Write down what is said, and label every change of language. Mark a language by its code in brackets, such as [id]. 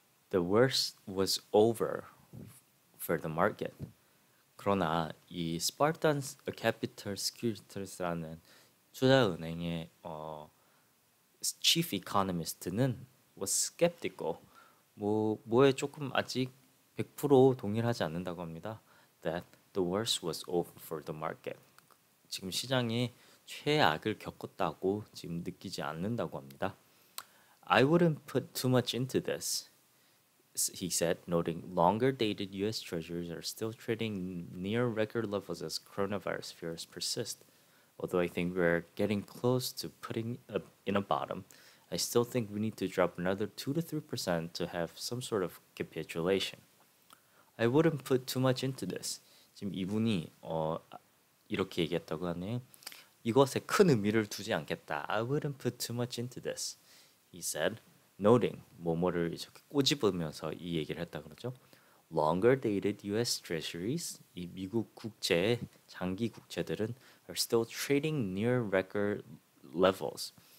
[en] The worst was over for the market. [ko] 그러나 이 Spartan Capital Securities라는 투자은행의 chief economist는 [en] was skeptical. [ko] 뭐에 조금 아직 100% 동일하지 않는다고 합니다. [en] That the worst was over for the market. [ko] 지금 시장이 최악을 겪었다고 지금 느끼지 않는다고 합니다. [en] I wouldn't put too much into this, he said, noting longer dated US treasuries are still trading near record levels as coronavirus fears persist. Although I think we're getting close to putting in a bottom, I still think we need to drop another 2 to 3% to have some sort of capitulation. I wouldn't put too much into this. [ko] 지금 이분이 이렇게 얘기했다고 하네요. 이것에 큰 의미를 두지 않겠다. [en] I wouldn't put too much into this, he said, noting [ko] 뭐뭐를 이렇게 꼬집으면서 이 얘기를 했다 그러죠. [en] Longer dated US treasuries, [ko] 이 미국 국채의 장기 국채들은 [en] are still trading near record levels.